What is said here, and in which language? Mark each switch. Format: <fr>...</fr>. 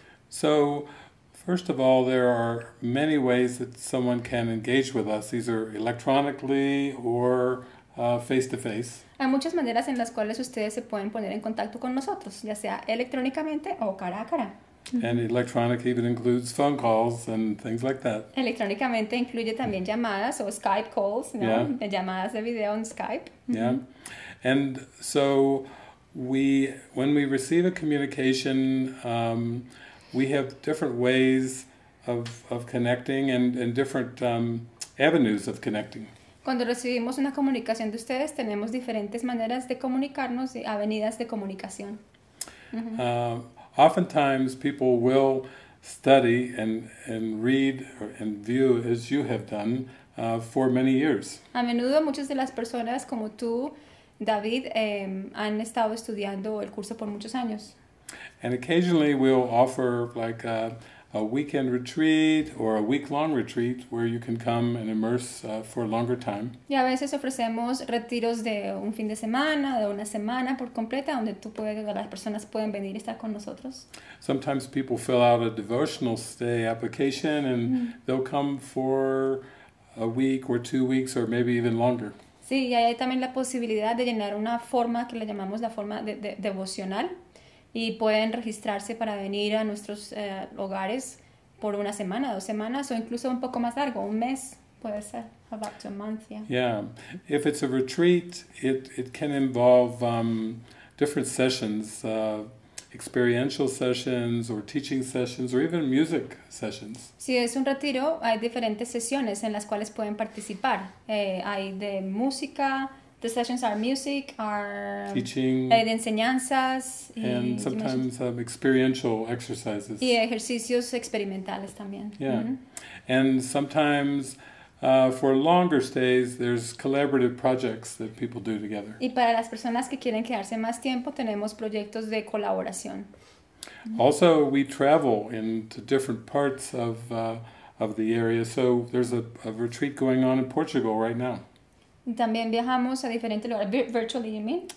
<en>So, first of all, there are many ways that someone can engage with us. These are electronically or face-to-face.</en> <es>Hay muchas maneras en las cuales ustedes se pueden poner en contacto con nosotros, ya sea electrónicamente o cara a cara.</es> <en>And electronic even includes phone calls and things like that.</en> <es>Electrónicamente incluye también llamadas o</es> <en>Skype calls,</en> <es>¿no? Yeah. Llamadas de video en Skype.</es> <en>Mm-hmm. Yeah. And so, when we receive a communication, we have different ways of connecting and different avenues of connecting.</en> <es>Cuando recibimos una comunicación de ustedes, tenemos diferentes maneras de comunicarnos y avenidas de comunicación. Mm-hmm.</es> <en>Oftentimes, people will study and read and view as you have done for many years.</en> <es>A menudo, muchas de las personas como tú, David, han estado estudiando el curso por muchos años.</es> <en>And occasionally we'll offer like a weekend retreat or a week-long retreat where you can come and immerse for a longer time.</en> <es>Y a veces ofrecemos retiros de un fin de semana, de una semana por completa, donde las personas pueden venir y estar con nosotros.</es> <en>Sometimes people fill out a devotional stay application and they'll come for a week or 2 weeks or maybe even longer.</en> <es>Sí, y hay también la posibilidad de llenar una forma que le llamamos la forma de devocional. Y pueden registrarse para venir a nuestros hogares por una semana, dos semanas, o incluso un poco más largo, un mes, puede ser,</es> <en>about to a month, yeah. Yeah, if it's a retreat, it can involve different sessions, experiential sessions, or teaching sessions, or even music sessions.</en> <es>Si es un retiro, hay diferentes sesiones en las cuales pueden participar. Hay de música.</es> <en>The sessions are music, are teaching,</en> <es>de enseñanzas,</es> <en>and sometimes experiential exercises.</en> <es>Y ejercicios experimentales también.</es> <en>Yeah. Mm-hmm. And sometimes for longer stays, there's collaborative projects that people do together.</en> <es>Y para las personas que quieren quedarse más tiempo, tenemos proyectos de colaboración.</es> <en>Also, we travel into different parts of the area, so there's a retreat going on in Portugal right now.</en> <es>También viajamos a diferentes lugares.</es> <en>Virtually, you mean?</en>